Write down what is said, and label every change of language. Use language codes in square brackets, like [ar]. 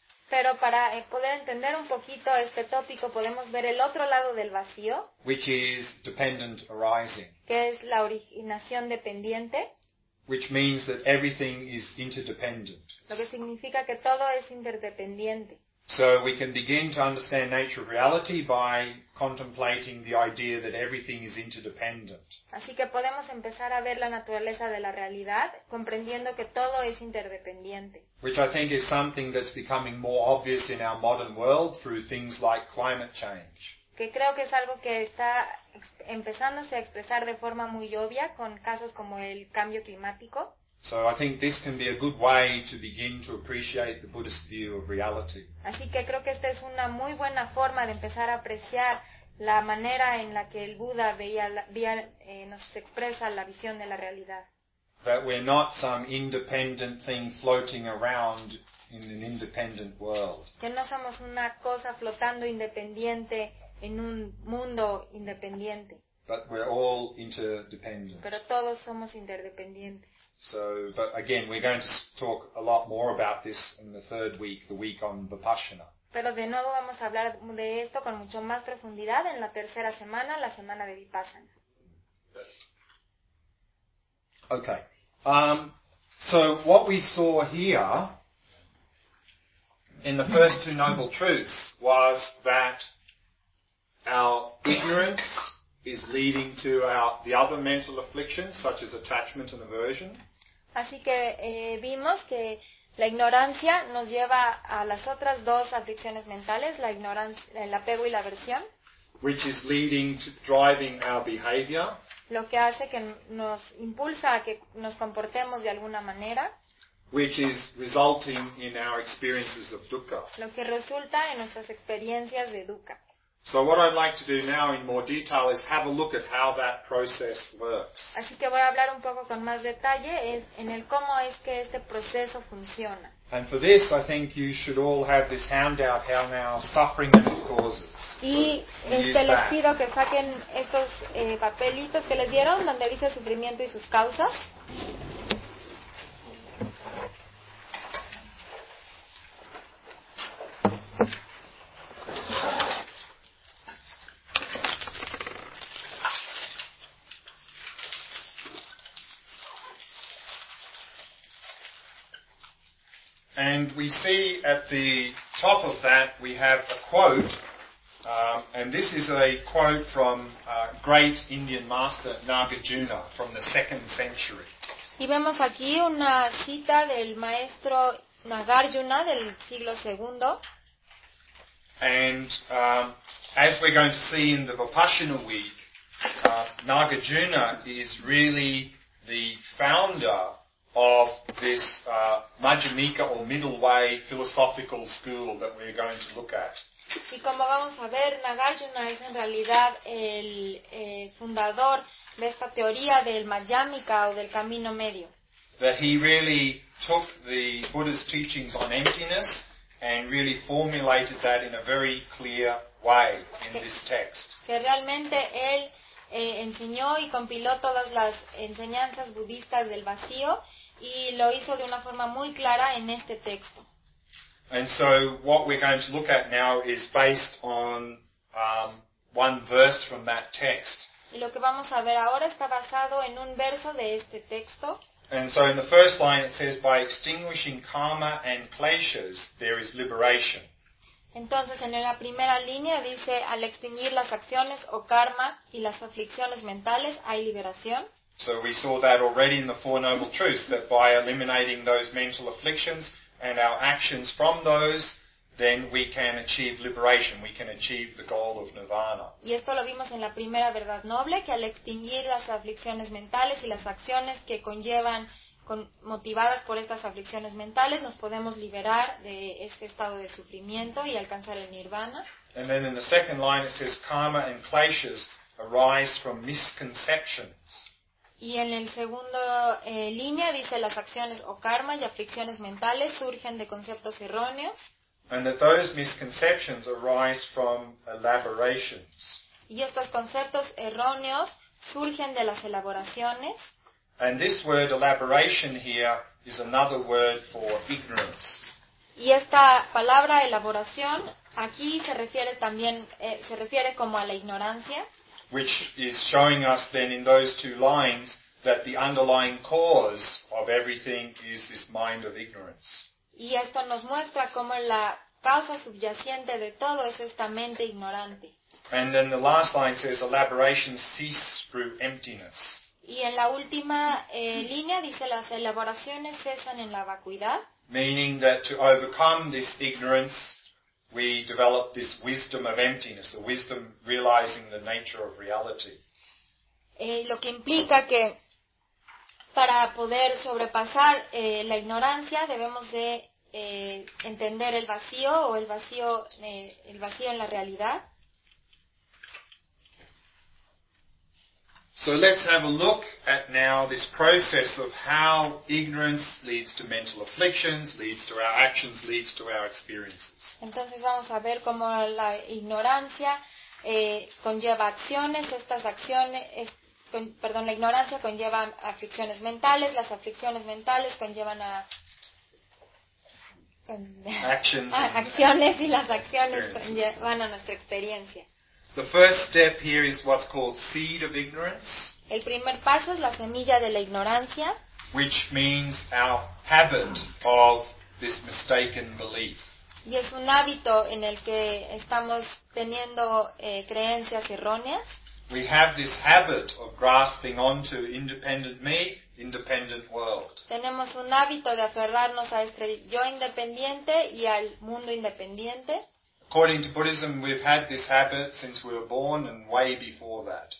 [es] Pero para poder entender un poquito este tópico, podemos ver el otro lado del vacío, [en] which is dependent arising, [es] que es la originación dependiente, [en] which means that everything is interdependent, [es] lo que significa que todo es interdependiente. [en] So we can begin to understand nature of reality by contemplating the idea that everything is interdependent. [es] Así que podemos empezar a ver la naturaleza de la realidad comprendiendo que todo es interdependiente. [en] Which I think is something that's becoming more obvious in our modern world through things like climate change. [es] Que creo que es algo que está empezándose a expresar de forma muy obvia con casos como el cambio climático. [en] So I think this can be a good way to begin to appreciate the Buddhist view of reality. [es] Así que creo que esta es una muy buena forma de empezar a apreciar la manera en la que el Buda nos expresa la visión de la realidad. [en] That we're not some independent thing floating around in an independent world. [es] Que no somos una cosa flotando independiente en un mundo independiente. [en] But we're all interdependent. [es] Pero todos somos interdependientes. [en] So, but again, we're going to talk a lot more about this in the third week, the week on Vipassana. [es] Pero de nuevo vamos a hablar de esto con mucho más profundidad en la tercera semana, la semana de Vipassana. [en] Okay. So what we saw here in the first two noble truths was that our ignorance is leading to the other mental afflictions, such as attachment and aversion. [es] Así que vimos que la ignorancia nos lleva a las otras dos aflicciones mentales, la ignorancia, el apego y la aversión. [en] Which is leading to driving our behavior. [es] Lo que hace que nos impulsa a que nos comportemos de alguna manera. [en] Which is resulting in our experiences of dukkha. [es] Lo que resulta en nuestras experiencias de dukkha. [en] So what I'd like to do now in more detail is have a look at how that process works. [es] Así que voy a hablar un poco con más detalle en el cómo es que este proceso funciona. [en] And for this, I think you should all have this handout, how now suffering that it causes. [es] Y les pido que saquen estos papelitos que les dieron, donde dice sufrimiento y sus causas. [en] And we see at the top of that we have a quote, and this is a quote from great Indian master Nagarjuna from the 2nd century. [es] Y vemos aquí una cita del maestro Nagarjuna del siglo segundo. [en] And as we're going to see in the Vipassana week, Nagarjuna is really the founder of this Majjhimika or middle way philosophical school that we're going to look at. [es] Y como vamos a ver, Nagarjuna es en realidad el fundador de esta teoría del Majjhimika o del camino medio. [en] That he really took the Buddha's teachings on emptiness and really formulated that in a very clear way in this text. [es] Que realmente él enseñó y compiló todas las enseñanzas budistas del vacío y lo hizo de una forma muy clara en este texto. [en] And so what we're going to look at now is based on one verse from that text. [es] Y lo que vamos a ver ahora está basado en un verso de este texto. [en] And so in the first line it says, by extinguishing karma and kleshas, there is liberation. [es] Entonces en la primera línea dice, al extinguir las acciones o karma y las aflicciones mentales, hay liberación. [en] So we saw that already in the Four Noble Truths, that by eliminating those mental afflictions and our actions from those, then we can achieve liberation, we can achieve the goal of nirvana. [es] Y esto lo vimos en la primera verdad noble, que al extinguir las aflicciones mentales y las acciones que conllevan, motivadas por estas aflicciones mentales, nos podemos liberar de este estado de sufrimiento y alcanzar el nirvana. [en] And then in the second line it says, karma and kleshas arise from misconceptions. [es] Y en el segundo línea dice, las acciones o karma y aflicciones mentales surgen de conceptos erróneos. [en] And that those misconceptions arise from elaborations. [es] Y estos conceptos erróneos surgen de las elaboraciones. [en] And this word elaboration here is another word for ignorance. [es] Y esta palabra elaboración aquí se refiere también se refiere como a la ignorancia. [en] Which is showing us then in those two lines that the underlying cause of everything is this mind of ignorance. [es] Y esto nos muestra cómo la causa subyacente de todo es esta mente ignorante. [en] And then the last line says, elaboration cease through emptiness. [es] Y en la última línea dice, las elaboraciones cesan en la vacuidad. [en] Meaning that to overcome this ignorance, we develop this wisdom of emptiness, the wisdom realizing the nature of reality. [es] Lo que implica que para poder sobrepasar la ignorancia debemos de entender el vacío o el vacío en la realidad. [en] So let's have a look at now this process of how ignorance leads to mental afflictions, leads to our actions, leads to our experiences. [es] Entonces vamos a ver cómo la ignorancia conlleva acciones, estas acciones, la ignorancia conlleva aflicciones mentales, las aflicciones mentales conllevan a acciones y las acciones conllevan a nuestra experiencia. [en] The first step here is what's called seed of ignorance. [es] El primer paso es la semilla de la ignorancia. [en] Which means our habit of this mistaken belief. [es] Y es un hábito en el que estamos teniendo creencias erróneas. [en] We have this habit of grasping onto independent me, independent world. [es] Tenemos un hábito de aferrarnos a este yo independiente y al mundo independiente. [en] According to Buddhism, we've had this habit since we were born and way before that.